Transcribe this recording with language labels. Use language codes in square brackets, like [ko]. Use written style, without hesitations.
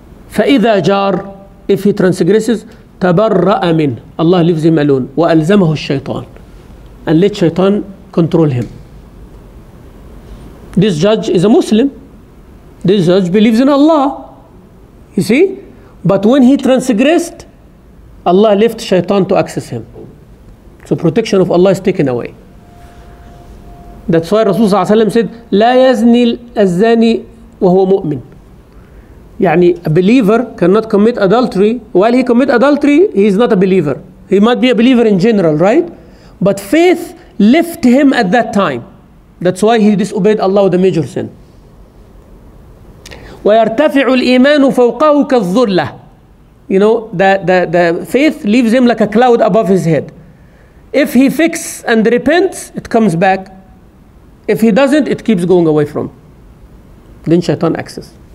[ar] فَإِذَا جَار, [en] if he transgresses, [ar] تَبَرَّأَ مِنْ, [en] Allah leaves him alone, [ar] وَأَلْزَمَهُ الشَّيْطَانِ, [en] and let shaitan control him. This judge is a Muslim. This judge believes in Allah. You see? But when he transgressed, Allah left shaitan to access him. So protection of Allah is taken away. That's why Rasulullah ﷺ said, [ar] لَا يَزْنِي الْأَزَّانِي وَهُوَ مُؤْمِنٌ. [en] يعني, a believer cannot commit adultery. While he commit adultery, he is not a believer. He might be a believer in general, right? But faith left him at that time. That's why he disobeyed Allah with a major sin. [ar] ويرتفع الإيمان فوقه كالظلة. [en] You know, the faith leaves him like a cloud above his head. If he fixes and repents, it comes back. If he doesn't, it keeps going away from. Then shaitan access.